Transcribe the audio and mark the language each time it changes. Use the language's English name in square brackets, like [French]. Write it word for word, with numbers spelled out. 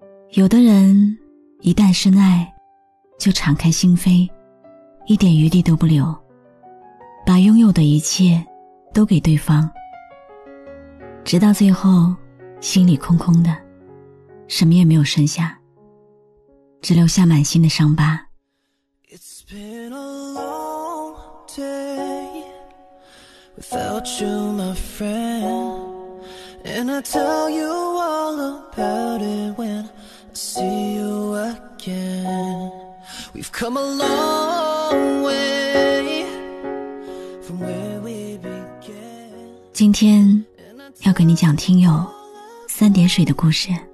[Chinese] 有的人一旦深爱，就敞开心扉，一点余地都不留，把拥有的一切都给对方，直到最后心里空空的，什么也没有剩下，只留下满心的伤疤。 [English] It's been a long day without you, my friend, and I tell you all about it when I see you again. We've come a long way from where we began. [Chinese] 今天要给你讲听友三点水的故事。